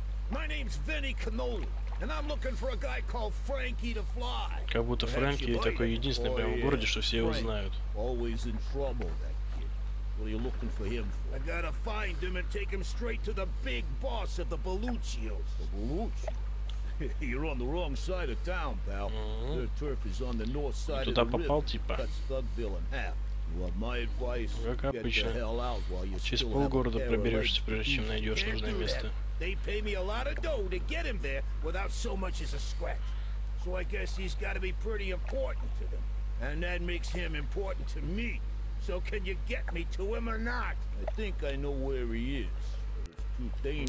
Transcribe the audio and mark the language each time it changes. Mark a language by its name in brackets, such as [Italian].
[English] My name's Vinny Canola, and I'm looking for a guy called Frankie to fly. [Russian] Как будто Фрэнки такой единственный прямо в городе, что все его знают. [English] Always in trouble, that kid. What are you looking for him for? I gotta find him and take him straight to the big boss of the Baluchios. The Baluchios? You're on the wrong side of town, pal. Their turf is on the north side of the river. [Russian] Туда попал, типа. [English] Cuts Thugville in half. [Russian] Вот мой advice. Как обычно. Через полгорода проберешься, прежде чем найдешь нужное место. [English] They pay me a lot of dough to get him there without so much as a scratch. So I guess he's got to be pretty important to them. And that makes him important to me. So can you get me to him or not? I think I know where he is.